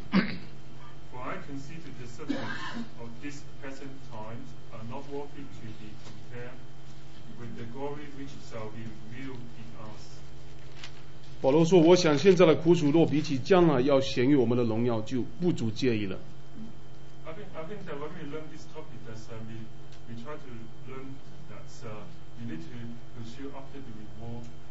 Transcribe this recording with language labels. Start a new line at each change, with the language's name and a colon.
English: I consider the sufferings of this present time are not worthy to be compared with the glory which shall be revealed in us.
Chinese: 保罗说，我想现在的苦楚若比起将来要显于我们的荣耀，就不足介意了。
English: I think that when we learn this topic, that we try to learn that we need to pursue after the reward.